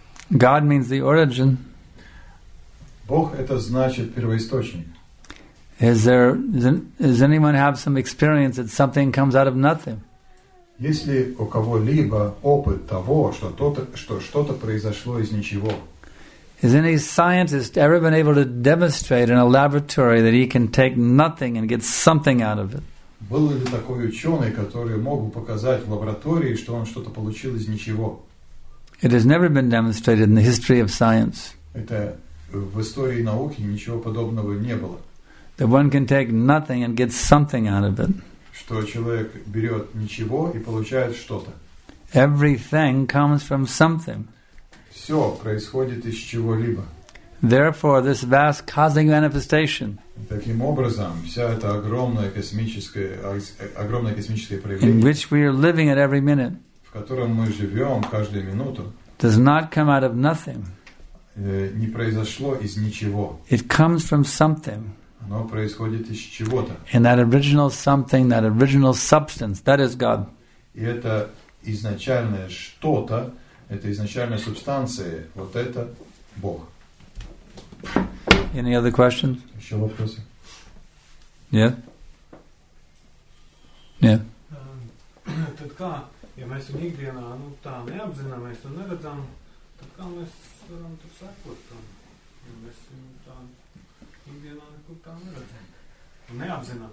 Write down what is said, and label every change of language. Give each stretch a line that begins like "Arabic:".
English: God means the origin.
Russian: Бог — это значит первоисточник.
English: Does anyone have some experience that something comes out of nothing?
Russian: Есть ли у кого-либо опыт того, что что-то произошло из ничего?
English: Has any scientist ever been able to demonstrate in a laboratory that he can take nothing and get something out of it?
Russian: Был ли такой ученый, который мог бы показать в лаборатории, что он что-то получил из ничего?
English: It has never been demonstrated in the history of science.
Russian: Это в истории науки ничего подобного не было.
English: That one can take nothing and get something out of it.
Russian: Что человек берет ничего и получает что-то.
English: Everything comes from something.
Russian: Все происходит из чего-либо.
English: Therefore, this vast causing manifestation.
Russian: Таким образом, вся эта огромная космическая, огромное космическое проявление,
English: in which we are living at every minute,
Russian: в котором мы живем каждую минуту,
English: does not come out of nothing.
Russian: Не произошло из ничего.
English: It comes from something.
Russian: Оно происходит из чего-то.
English: And that original something, that original substance, that is God.
Russian: И это изначальное что-то, это изначальная субстанция, вот это Бог.
English: Any other questions?
Russian: Еще вопросы? Нет? Тот как, если мы с нигдена, ну там не обзинаем, если не видим, тот как мы с вами тут сакут там, если мы там нигдена не купим, не видим, не обзинаем,